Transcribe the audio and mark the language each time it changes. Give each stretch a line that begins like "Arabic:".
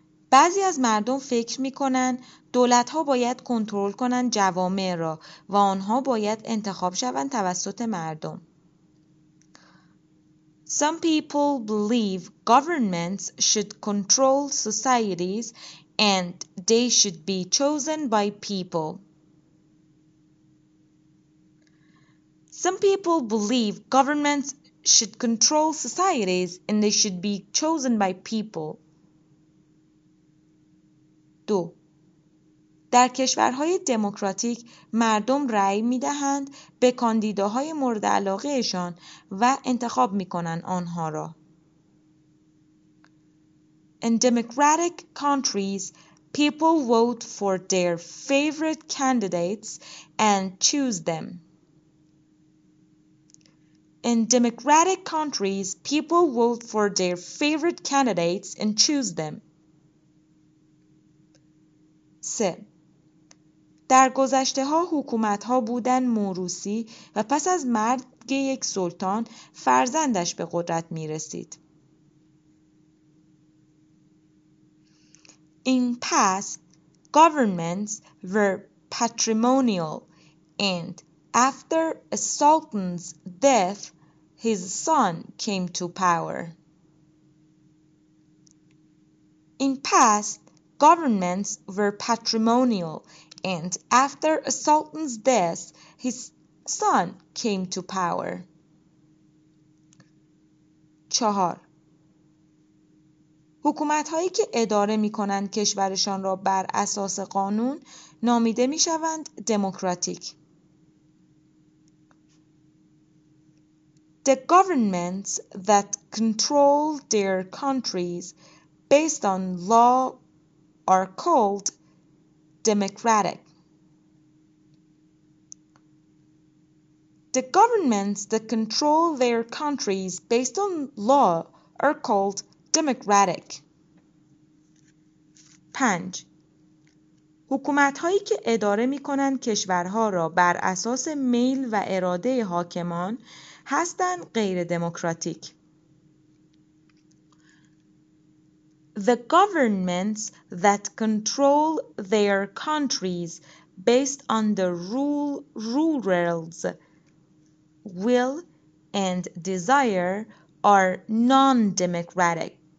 Persian: بعضی از مردم فکر می‌کنند دولت‌ها باید کنترل کنند جوامع را و آنها باید انتخاب شوند توسط مردم.
English: Some people believe governments should control societies and they should be chosen by people. Some people believe governments should control societies and they should be chosen by people. 2.
Persian: در کشورهای دموکراتیک مردم رأی می‌دهند به کاندیداهای مورد علاقه‌شان و انتخاب می‌کنند آنها را.
English: In democratic countries, people vote for their favorite candidates and choose them. In democratic countries, people vote for their favorite candidates and choose them. 3.
Persian: در گذشته ها حکومت ها بودن موروثی و پس از مرگ یک سلطان فرزندش به قدرت می رسید.
English: In past, governments were patrimonial and after a sultan's death, his son came to power. In past, governments were patrimonial and after a sultan's death, his son came to power. 4.
Persian: حکومت‌هایی که اداره می‌کنند کشورشان را بر اساس قانون نامیده می‌شوند دموکراتیک.
English: The governments that control their countries based on law are called democratic. The governments that control their countries based on law are called democratic. 5.
Persian: حکومت‌هایی که اداره می‌کنند کشورها را بر اساس میل و اراده حاکمان هستند غیر دموکراتیک.
English: The governments that control their countries based on the rulers' will and desire are non-democratic.